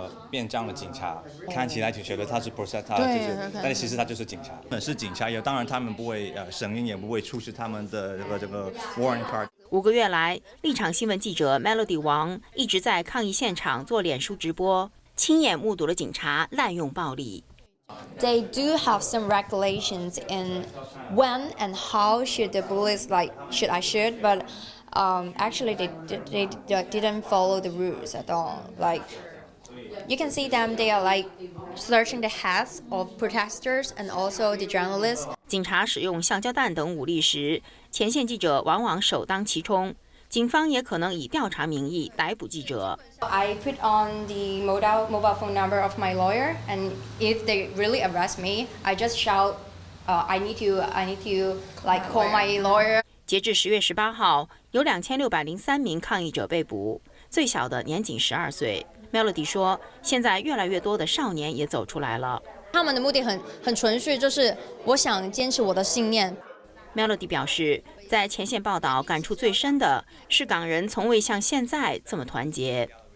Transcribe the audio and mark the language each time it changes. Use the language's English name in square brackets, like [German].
[Chinese] 变装的警察看起来就觉得他是 process， 他就是，但其实他就是警察。是警察，当然他们不会声音也不会出示他们的这个 warrant card。五个月来，立场新闻记者 Melody 王一直在抗议现场做脸书直播，亲眼目睹了警察滥用暴力。 [English] They do have some regulations in when and how should the bullets like should I shoot, but actually they didn't follow the rules at all. Like you can see them, they are like searching the heads of protesters and also the journalists. [Chinese] 警察使用橡胶弹等武力时，前线记者往往首当其冲，警方也可能以调查名义逮捕记者。 [English] I put on the mobile phone number of my lawyer, and if they really arrest me, I just shout, I need to like call my lawyer. [Chinese] 截至10月18号，有2603名抗议者被捕，最小的年仅12岁。 Melody 说，现在越来越多的少年也走出来了。他们的目的很纯粹，就是我想坚持我的信念。 Melody 表示，在前线报道感触最深的是港人从未像现在这么团结。